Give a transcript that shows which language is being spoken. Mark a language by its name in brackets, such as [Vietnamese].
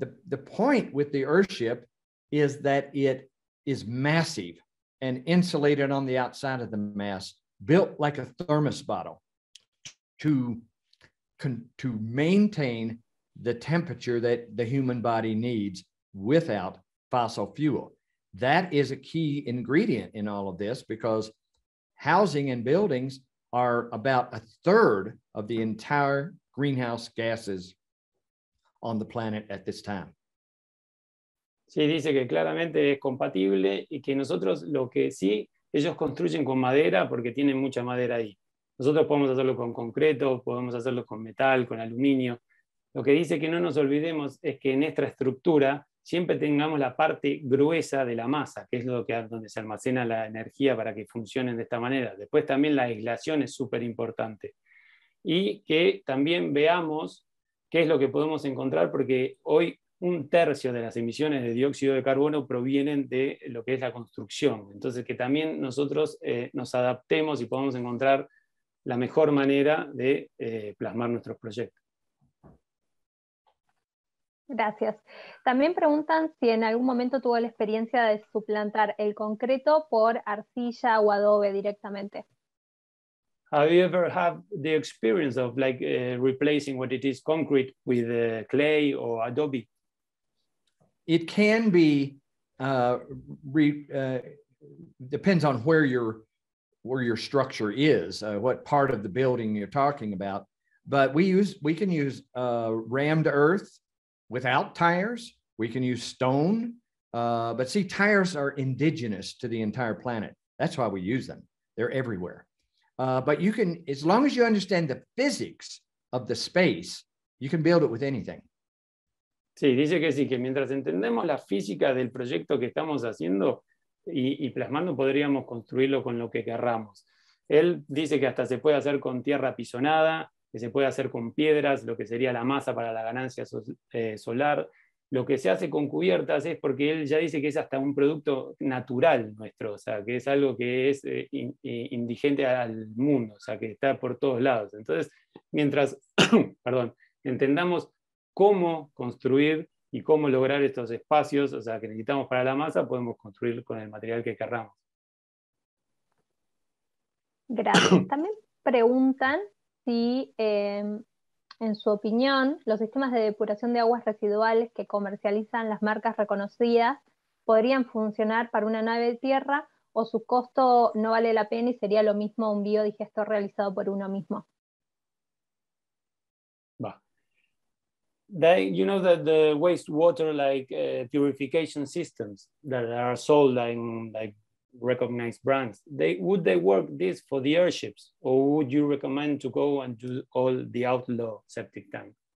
[English] The point with the Earthship is that it is massive and insulated on the outside of the mass, built like a thermos bottle to maintain the temperature that the human body needs without fossil fuel. That is a key ingredient in all of this because housing and buildings are about a third of the entire greenhouse gases on the planet at this time. [Spanish] Sí, dice que claramente es compatible y que nosotros lo que sí, ellos construyen con madera porque tienen mucha madera ahí. Nosotros podemos hacerlo con concreto, podemos hacerlo con metal, con aluminio. Lo que dice que no nos olvidemos es que nuestra estructura siempre tengamos la parte gruesa de la masa, que es lo que donde se almacena la energía para que funcionen de esta manera. Después también la aislación es súper importante. Y que también veamos qué es lo que podemos encontrar, porque hoy un tercio de las emisiones de dióxido de carbono provienen de lo que es la construcción. Entonces que también nosotros nos adaptemos y podamos encontrar la mejor manera de plasmar nuestros proyectos. Gracias. También preguntan si en algún momento tuvo la experiencia de suplantar el concreto por arcilla o adobe directamente. [English] Have you ever had the experience of like replacing what it is concrete with clay or adobe? It can be depends on where your structure is, what part of the building you're talking about, but we can use rammed earth. Without tires, we can use stone, but see, tires are indigenous to the entire planet. That's why we use them. They're everywhere. But you can, as long as you understand the physics of the space, you can build it with anything. [Spanish] Sí, dice que sí, que mientras entendemos la física del proyecto que estamos haciendo y plasmando, podríamos construirlo con lo que querramos. Él dice que hasta se puede hacer con tierra pisonada, que se puede hacer con piedras, lo que sería la masa para la ganancia solar. Lo que se hace con cubiertas es porque él ya dice que es hasta un producto natural nuestro, o sea, que es algo que es indigente al mundo, o sea, que está por todos lados. Entonces, mientras, perdón, entendamos cómo construir y cómo lograr estos espacios, o sea, que necesitamos para la masa, podemos construir con el material que querramos. Gracias. También preguntan si, en su opinión, los sistemas de depuración de aguas residuales que comercializan las marcas reconocidas podrían funcionar para una nave de tierra o su costo no vale la pena y sería lo mismo un biodigestor realizado por uno mismo. [English] They, you know that the wastewater like purification systems that are sold in like recognized brands, would they work this for the Earthships, or would you recommend to go and do all the outlaw septic tank?